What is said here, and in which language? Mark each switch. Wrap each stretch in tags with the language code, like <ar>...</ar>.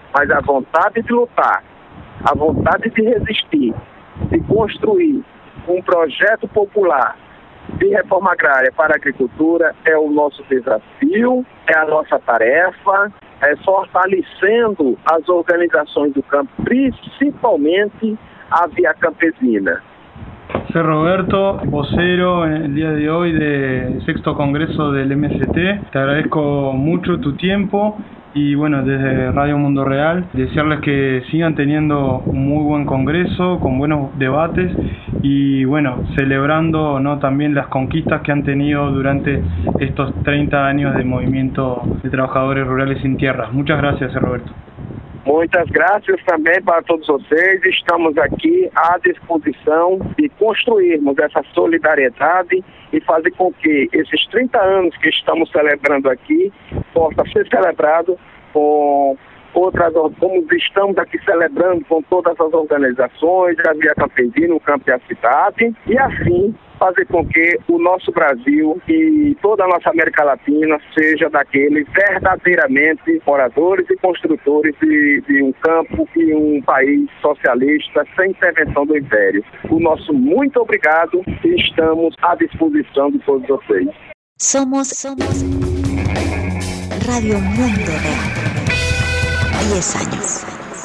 <pt>Mas a vontade de lutar, a vontade de resistir, de construir um projeto popular de reforma agrária para a agricultura é o nosso desafio, é a nossa tarefa, é fortalecendo as organizações do campo, principalmente a Via Campesina.</pt> <es>Sr.</es> <pt>Roberto, vocero no dia de hoje do 6º Congresso do MST, te agradeço muito o seu tempo.</pt> <es>Y bueno, desde Radio Mundo Real, desearles que sigan teniendo un muy buen congreso, con buenos debates y bueno, celebrando, ¿no?, también las conquistas que han tenido durante estos 30 años de movimiento de trabajadores rurales sin tierras. Muchas gracias, Roberto. Muchas gracias también para todos ustedes. Estamos aquí a disposición de construirmos esa solidaridad y hacer con que esos 30 años que estamos celebrando aquí</es> <pt>possa ser celebrado com outras, como estamos aqui celebrando com todas as organizações, a Via Campesina, o Campo e a Cidade, e assim fazer com que o nosso Brasil e toda a nossa América Latina seja daqueles verdadeiramente moradores e construtores de um campo e um país socialista sem intervenção do Império. O nosso muito obrigado e estamos à disposição de todos vocês.</pt> <es>Somos Radio Mundo Real. 10 años.</es>